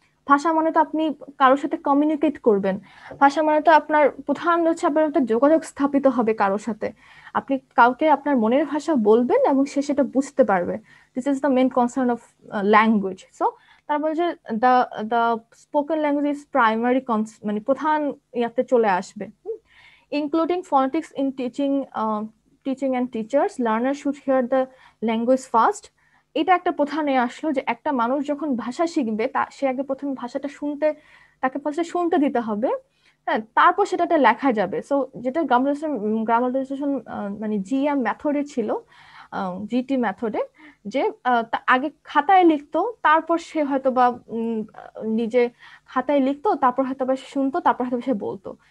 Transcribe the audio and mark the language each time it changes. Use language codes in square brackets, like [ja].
[bn] ভাষা মানে তো আপনি কারোর সাথে কমিউনিকেট করবেন, ভাষা মানে তো আপনার প্রধান হচ্ছে আপনার একটা যোগাযোগ স্থাপিত হবে কারোর সাথে, আপনি কাউকে আপনার মনের ভাষা বলবেন এবং সে সেটা বুঝতে পারবে। [en] This is the main concern of language. So [bn] তারা বলছে [en] the spoken language is primary [bn] মানে প্রধান ইয়াতে চলে আসবে। [en] including phonetics in teaching teaching and teachers, learners should hear the language first. [bn] এটা একটা প্রধানে আসলো যে একটা মানুষ যখন ভাষা শিখবে তা সে আগে প্রথমে ভাষাটা শুনতে তাকে ফার্স্টে শুনতে দিতে হবে, হ্যাঁ, তারপর সেটাটা লেখা যাবে। সো যেটা গ্রামারাইজেশন মানে জিএম মেথডে ছিল, জিটি মেথডে, যে আগে খাতায় লিখতো, তারপর সে হয়তো বা নিজে খাতায় লিখতো, তারপর হয়তো বা সে শুনতো, তারপর হয়তো সে বলতো।